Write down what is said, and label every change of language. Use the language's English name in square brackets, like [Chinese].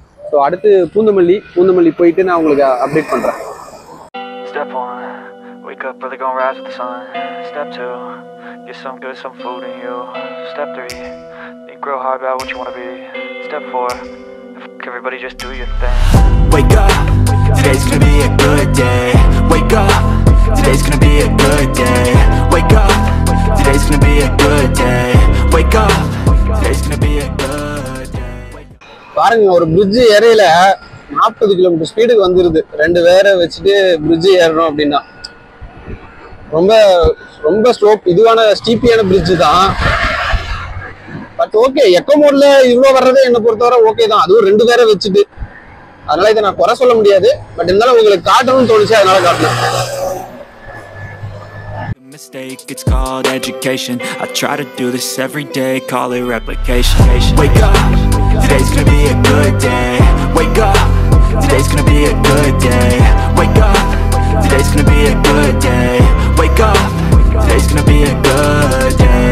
[Tamil] So அடுத்து பூந்தமல்லி போயிட்டு நான் உங்களுக்கு அப்டேட் பண்ணுறேன். [English] Today's gonna be a good day. Wake up. Today's gonna be a good day. Wake up. Today's gonna be a good day. Wake up. Today's gonna be a good day. [Tamil] பாருங்க ஒரு bridge ஏறையில 40 kilometre ஸ்பீடுக்கு வந்துருது. ரெண்டு வேற வச்சுட்டு bridge ஏறணும் அப்படின்னா ரொம்ப ரொம்ப ஸ்லோப், இதுவான ஸ்டீப்பியான பிரிட்ஜ் தான். பட் ஓகே, எக்கோ மோட்ல இவ்வளோ வர்றதே என்னை பொறுத்தவரை ஓகே தான், அதுவும் ரெண்டு பேரை வச்சுட்டு. அதனால இதை நான் குறை சொல்ல முடியாது, பட் இருந்தாலும் உங்களுக்கு காட்டணும்னு தோணுச்சு, அதனால காட்டினேன். [English] Mistake, it's called education. I try to do this every day, call it replication. Wake up, today's gonna be a good day. Wake up, today's gonna be a good day. Wake up, today's gonna be a good day. Wake up, today's gonna be a good day.